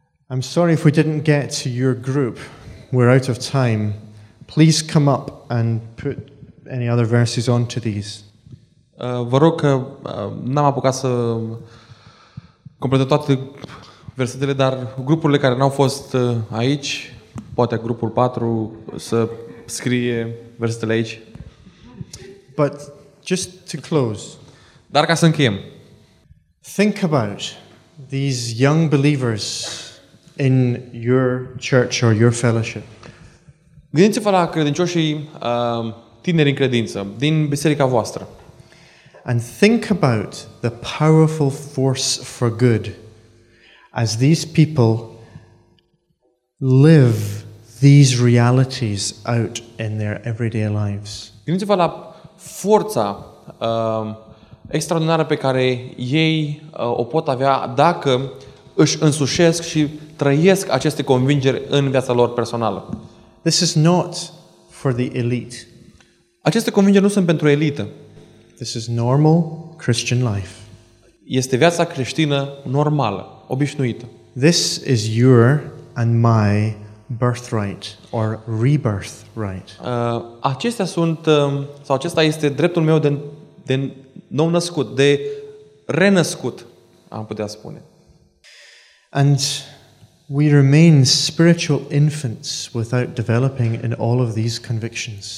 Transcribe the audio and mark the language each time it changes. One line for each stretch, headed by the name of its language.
English: I'm sorry if we didn't get to your group. We're out of time. Please come up and put any other verses onto these.
Romanian: Vă rog că n-am apucat să completez toate versetele, dar grupurile care n-au fost aici, poate grupul 4 să scrie versetele aici.
English: But just to close.
Romanian: Dar ca să încheiem.
English: Think about these young believers in your church or your fellowship.
Romanian: Gândiți-vă la credincioșii tineri în credință din biserica voastră.
English: And think about the powerful force for good as these people live these realities out in their everyday lives.
Romanian: Gândiți-vă la forța extraordinară pe care ei o pot avea dacă își însușesc și trăiesc aceste convingeri în viața lor personală.
English: This is not for the elite.
Romanian: Aceste convingeri nu sunt pentru elită.
English: This is normal Christian life.
Romanian: Este viața creștină normală, obișnuită.
English: This is your and my birthright or rebirth right.
Romanian: Acestea sunt sau acesta este dreptul meu de nou născut, de renăscut, am putea spune.
English: And we remain spiritual infants without developing in all of these convictions.